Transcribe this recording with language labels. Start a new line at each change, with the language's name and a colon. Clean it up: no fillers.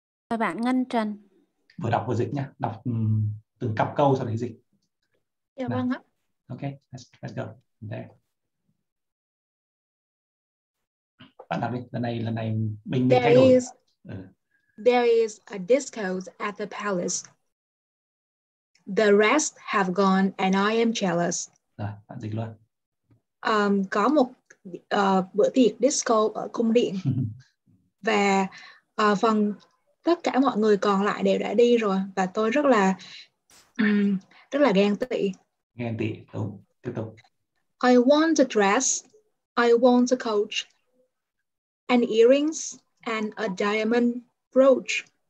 Vietnamese: Rồi bạn Ngân Trần. Vừa đọc vừa dịch nha. Đọc từng cặp câu sau đấy dịch. Dạ vâng ạ.
English: Ok, let's go. There.
Vietnamese: Bạn đọc đi, lần này mình thay đổi.
English: There is a disco at the palace. The rest have gone and I am jealous.
Vietnamese: Rồi, bạn dịch luôn. Có một bữa tiệc disco ở cung điện. Và phần tất cả mọi người còn lại đều đã đi rồi. Và tôi rất là ghen tị. Ghen tị, đúng. Tiếp tục.
English: I want a dress. I want a coach. And earrings and a diamond brooch.